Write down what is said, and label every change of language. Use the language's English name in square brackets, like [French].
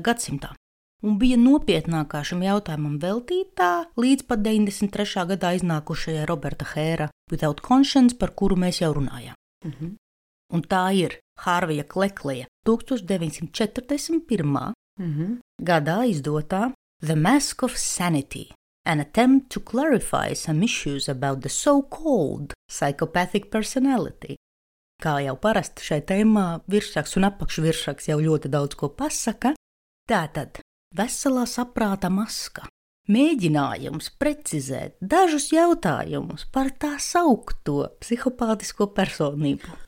[Latvian] Gadsimtā un bija nopietnākā šim jautājumam veltītā līdz pat 93. Gadā iznākušajai Roberta Hēra Without Conscience, par kuru mēs jau runājām. Un tā ir Hārvija Klekleja 1941. Gadā izdotā [English] The Mask of Sanity, an attempt to clarify some issues about the so-called psychopathic personality. [Latvian] Kā jau parasti šai tēmā virsraks un apakšvirsraks jau ļoti daudz ko pasaka, tātad veselā saprāta maska, mēģinājums precizēt dažus jautājumus par tā saukto psihopātisko personību.